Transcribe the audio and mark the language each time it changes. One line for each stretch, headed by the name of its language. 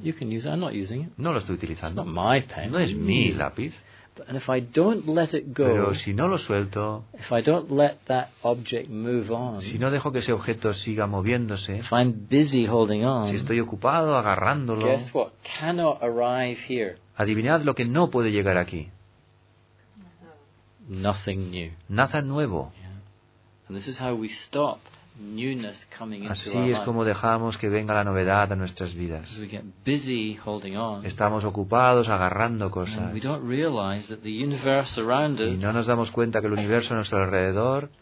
English: You can use it. I'm not using it.
Spanish: No lo estoy utilizando.
English: It's not my pen.
Spanish: No es mi lápiz.
English: And if I don't let it go,
Spanish: pero si no lo suelto,
English: if I don't let that object move on,
Spanish: si no dejo que ese objeto siga moviéndose,
English: if I'm busy holding on,
Spanish: si estoy ocupado agarrándolo,
English: guess what? Cannot arrive here.
Spanish: Adivinad lo que no puede llegar aquí.
English: Nothing new.
Spanish: Nada nuevo.
English: Yeah. And this is how we stop newness coming into our lives.
Spanish: Así es como dejamos que venga la novedad a nuestras vidas.
English: We get busy holding on.
Spanish: Estamos ocupados agarrando cosas.
English: And we don't realize that the universe around us.
Spanish: Y no nos damos cuenta que el universo a nuestro alrededor.